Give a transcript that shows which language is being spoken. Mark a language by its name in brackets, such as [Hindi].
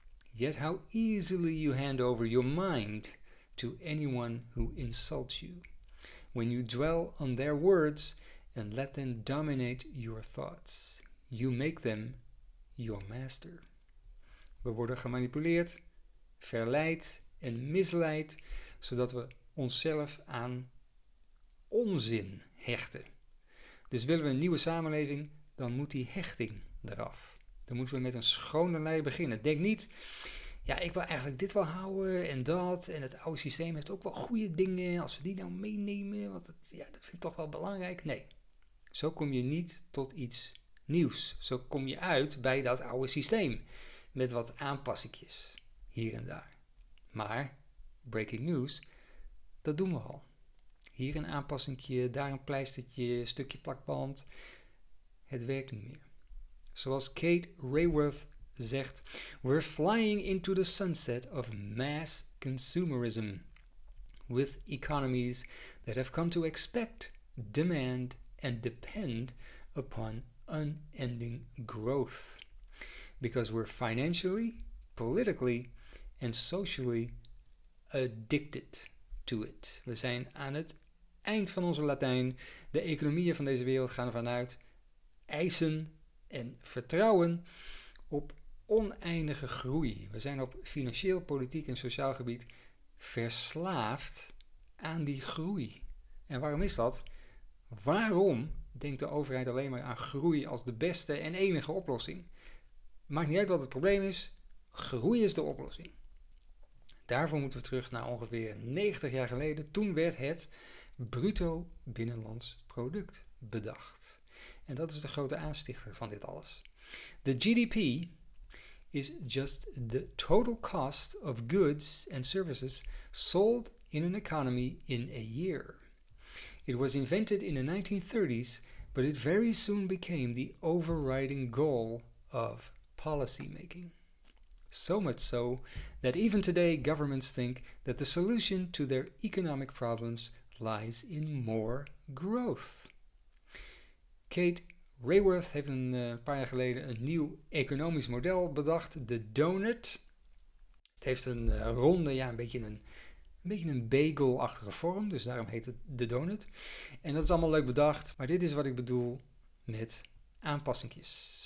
[English] Yet how easily you hand over your mind to anyone who insults you, when you dwell on their words and let them dominate your thoughts. You make them your master. [Dutch] We worden gemanipuleerd, verleid en misleid, zodat we onszelf aan onzin hechten. Dus willen we een nieuwe samenleving, dan moet die hechting eraf. Dan moeten we met een schone lei beginnen. Denk niet, ja, ik wil eigenlijk dit wel houden en dat. En het oude systeem heeft ook wel goede dingen. Als we die nou meenemen, want het, ja, dat vind ik toch wel belangrijk. Nee, zo kom je niet tot iets nieuws. Zo kom je uit bij dat oude systeem. Met wat aanpassingjes hier en daar. Maar, breaking news, dat doen we al. Hier een aanpassingje, daar een pleistertje, een stukje plakband. Het werkt niet meer. Zoals Kate Raworth zegt, [English] we're flying into the sunset of mass consumerism with economies that have come to expect, demand and depend upon unending growth. Because we're financially, politically and socially addicted to it. [Dutch] We zijn aan het eind van onze Latijn. De economieën van deze wereld gaan ervan uit eisen en vertrouwen op oneindige groei. We zijn op financieel, politiek en sociaal gebied verslaafd aan die groei. En waarom is dat? Waarom denkt de overheid alleen maar aan groei als de beste en enige oplossing? Maakt niet uit wat het probleem is, groei is de oplossing. Daarvoor moeten we terug naar ongeveer 90 jaar geleden. Toen werd het bruto binnenlands product bedacht. En dat is de grote aanstichter van dit alles. [English] The GDP is just the total cost of goods and services sold in an economy in a year. It was invented in the 1930s, but it very soon became the overriding goal of policy making. So much so that even today governments think that the solution to their economic problems lies in more growth. [Dutch] Kate Raworth heeft een paar jaar geleden een nieuw economisch model bedacht, de donut. Het heeft een ronde, ja, een beetje een bagelachtige vorm, dus daarom heet het de donut. En dat is allemaal leuk bedacht, maar dit is wat ik bedoel met aanpassingjes.